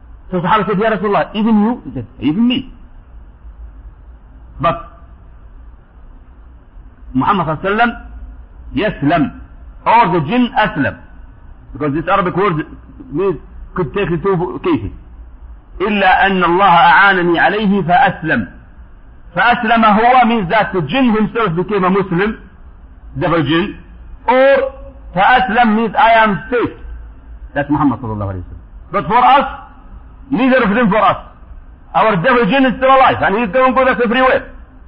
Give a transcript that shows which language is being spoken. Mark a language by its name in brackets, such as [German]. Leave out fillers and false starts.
[English] So Sahaba said, Ya Rasulullah, even you? He said, even me. But Muhammad sallallahu alayhi wa sallam, yaslam, or the jinn aslam. Because this Arabic word means could take the two cases. [Arabic] إلا أن الله أعانني عليه فأسلم. فأسلم هو [English] means that the jinn himself became a Muslim, devil jinn. Or فأسلم means I am safe. That's Muhammad [Arabic] صلى الله عليه وسلم. [English] But for us, neither of them for us. Our devil jinn is still alive and he's going with us everywhere.